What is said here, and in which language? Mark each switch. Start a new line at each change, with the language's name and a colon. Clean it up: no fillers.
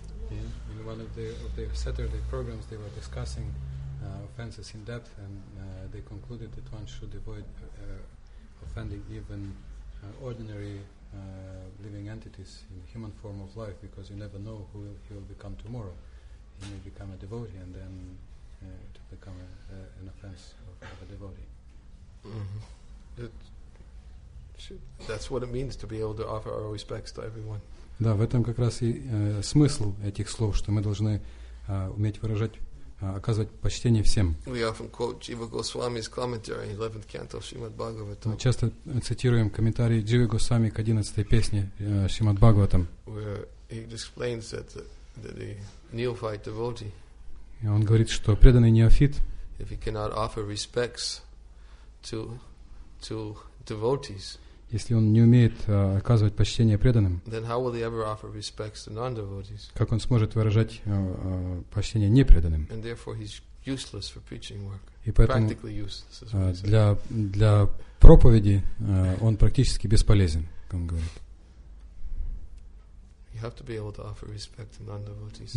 English: In one of the Saturday programs, they were discussing offenses in depth, and they concluded that one should avoid offending even ordinary living entities in human form of life, because you never know who he will become tomorrow. He may become a devotee, and then to become an offense of a devotee. That's what it means to be able to offer our respects to everyone.
Russian: Да, в этом как раз и смысл этих слов, что мы должны уметь выражать, оказывать почтение всем.
English: We often quote Jiva Goswami's commentary, 11th canto, Shrimad Bhagavatam.
Russian: Мы часто цитируем комментарий Дживы Госвами к 11-й песне Шримад Бхагаватам.
English: Where he explains that the neophyte devotee.
Russian: И он говорит, что преданный неофит.
English: If he cannot offer respects to devotees.
Russian: Если он не умеет оказывать почтение преданным,
English: then how will he ever offer respects to non-devotees?
Russian: Как он сможет выражать почтение непреданным?
English: And therefore he's useless for preaching work.
Russian: И поэтому
English: practically useless, as
Russian: для проповеди он практически бесполезен, как он говорит.
English: You have to be able to offer respect to non-devotees.